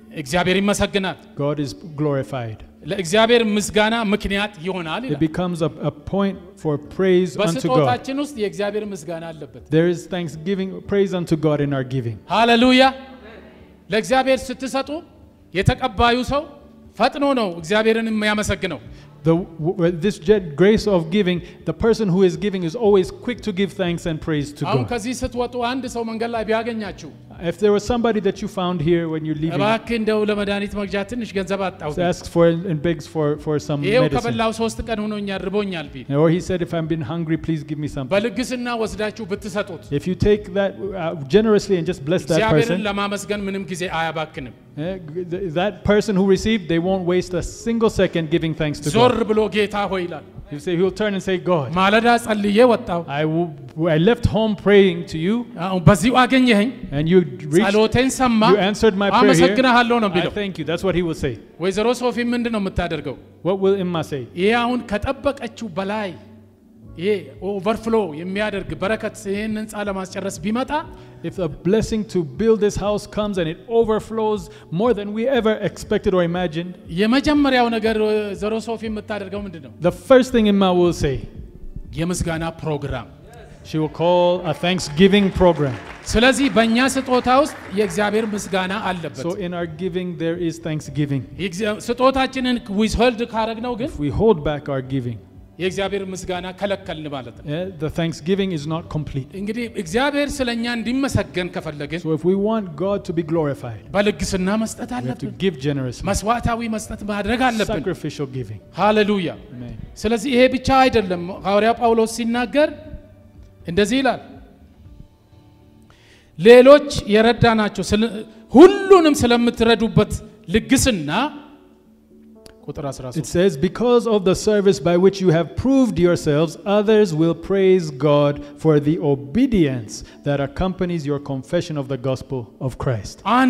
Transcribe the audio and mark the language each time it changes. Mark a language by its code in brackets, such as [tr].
[am] እግዚአብሔር ይመሰግናል [en] God is glorified [am] ለእግዚአብሔር ምስጋና ምክንያት ይሆናል [en] it becomes a point for praise unto God [am] በመስጠታችን ውስጥ የእግዚአብሔር ምስጋና አለበት [en] there is thanksgiving praise unto God in our giving [am] hallelujah ለእግዚአብሔር ስትሰጡ የተቀባዩ ሰው ፈጥኖ ነው እግዚአብሔርን የሚያመሰግነው [en] this grace of giving the person who is giving is always quick to give thanks and praise to God. [am] አሁን ከዚህ ስትወጡ አንድ ሰው መንገድ ላይ ቢያገኛችሁ [en] if there was somebody that you found here when you're leaving [am] እባክህ እንደው ለመድኃኒት መግዣ ትንሽ ገንዘብ አጣው [en] so ask for and begs for some medicine. [am] ይሄው ከበላው 3 ቀን ሆኖኛል ርቦኛል ቢል [en] or he said if I've been hungry please give me something. [am] በልግስና ወስዳችሁ ብትሰጡት [en] if you take that generously and just bless that person [am] ለማመስገን ምንም ጊዜ አያባክንም [en] that person who received they won't waste a single second giving thanks to God. [am] ዞር ብሎ ጌታ ሆይ ይላል. [en] You say he'll turn and say God. [am] ማለዳ ጸልዬ ወጣው. [en] I left home praying to you. [am] አሁን በዚህ አገኘኸኝ. [en] And you reached [am] ጸሎቴን ሰማ. [en] You answered my prayer. [am] አመሰግናለሁ ነው ቢለው. [en] I thank you. That's what he will say. [am] ወይዘሮ ሶፊ ምንድነው የምታደርገው? [en] What will Emma say? [am] ይሄ አሁን ከተጠበቀችው በላይ ይሄ ኦቨርፍሎ የሚያደርግ በረከት ይሄንን ጻለማስጨረስ ቢመጣ [en] if a blessing to build this house comes and it overflows more than we ever expected or imagined [am] የመጀመሪያው ነገር ዘሮ ሶፊ የምታደርገው ምንድነው [en] the first thing Emma will say [am] የምስጋና ፕሮግራም [en] she will call a thanksgiving program [am] ስለዚህ በእኛ ስጦታ ውስጥ የእግዚአብሔር ምስጋና አለበት [en] so in our giving there is thanksgiving [am] ስጦታችንን withhold ካረግነው ግን [en] if we hold back our giving [am] የእግዚአብሔር ምስጋና ከለከልን ማለት ነው [en] the thanksgiving is not complete [am] እንግዲህ እግዚአብሔር ስለኛ እንዲመሰገን ከፈለገ [en] so if we want God to be glorified [am] በልግስና መስጠት አለብን [en] to give generously [am] መስዋዕታዊ መስጠት ማድረግ አለብን [en] sacrificial giving hallelujah amen [am] ስለዚህ ይሄ ብቻ አይደለም ሐዋርያ ጳውሎስ ሲናገር እንደዚህ ይላል ሌሎች የረዳናቸው ሁሉንም ስለምትረዱበት ልግስና [en] It says, because of the service by which you have proved yourselves, others will praise God for the obedience that accompanies your confession of the gospel of Christ.